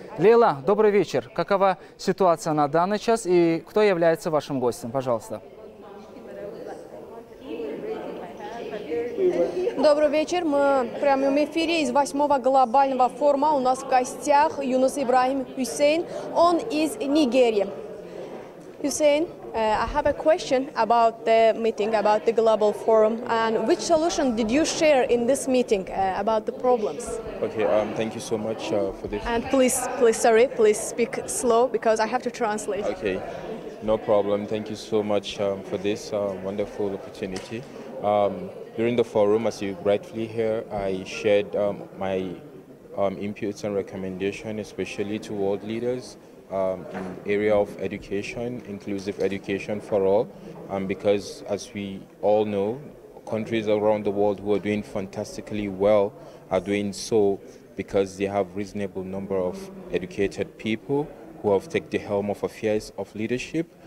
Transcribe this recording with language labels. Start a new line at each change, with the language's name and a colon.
Russian: Лейла, добрый вечер. Какова ситуация на данный час и кто является вашим гостем? Пожалуйста. Добрый вечер. Мы прямо в эфире из 8-го глобального форума. У нас в гостях Юнус Ибрахим Хусейн. Он из Нигерии.
English: Хусейн, I have a question about the meeting, about the global forum. And which solution did you share in this meeting about the problems? Okay, thank you so much for this. And please speak slow, because I have to translate. Okay, no problem. Thank you so much for this wonderful opportunity. During the forum, as you rightfully hear, I shared my inputs and recommendations, especially to world leaders in the area of education, inclusive education for all, because as we all know, countries around the world who are doing fantastically well are doing so because they have a reasonable number of educated people who have taken the helm of affairs of leadership.